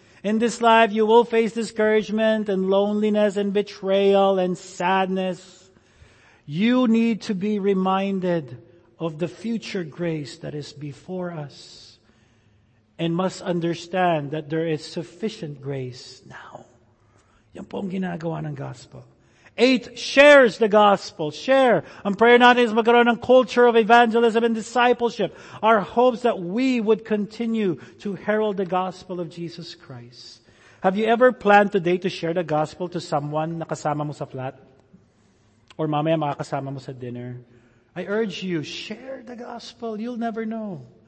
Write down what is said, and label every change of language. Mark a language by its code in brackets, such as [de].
[en] In this life, you will face discouragement and loneliness and betrayal and sadness. You need to be reminded of the future grace that is before us and must understand that there is sufficient grace now. [tl] Yan po ang ginagawa ng gospel. [en] Eight, shares the gospel. Share. [tl] Ang prayer natin is magkaroon ng [en] culture of evangelism and discipleship. Our hopes that we would continue to herald the gospel of Jesus Christ. Have you ever planned today to share the gospel to someone [tl] na kasama mo sa flat? [en] Or [tl] mamaya makakasama mo sa [en] dinner? I urge you, share the gospel. You'll never know.